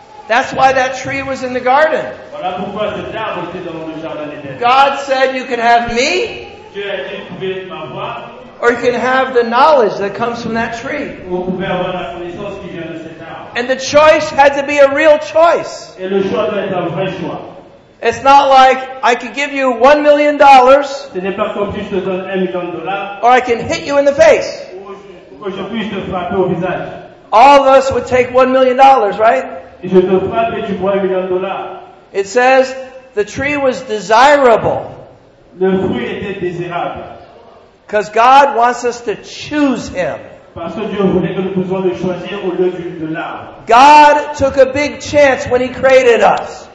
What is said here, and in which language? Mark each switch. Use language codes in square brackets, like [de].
[en] That's why that tree was in the garden. [fr] Voilà pourquoi cet arbre était dans le jardin d'Éden. [en] God said you can have me. [fr] Dieu a dit, vous pouvez m'avoir. [en] Or you can have the knowledge that comes from that tree. [fr] Vous pouvez avoir la connaissance qui vient de cet arbre. [en] And the choice had to be a real choice. [fr] Et le choix doit être un vrai choix. [en] It's not like I could give you $1 million. [fr] Ce n'est pas comme si je te donne $1 million. [en] Or I can hit you in the face. [fr] Ou je puisse te frapper au visage. [en] All of us would take $1 million, right? [fr] Et je te frappe et tu prends $1 million. [en] It says the tree was desirable. [fr] Le fruit était désirable. [en] Because God wants us to choose Him. [fr] Parce que Dieu voulait que nous puissions le choisir au lieu de l'arbre. [en] God took a big chance when He created us.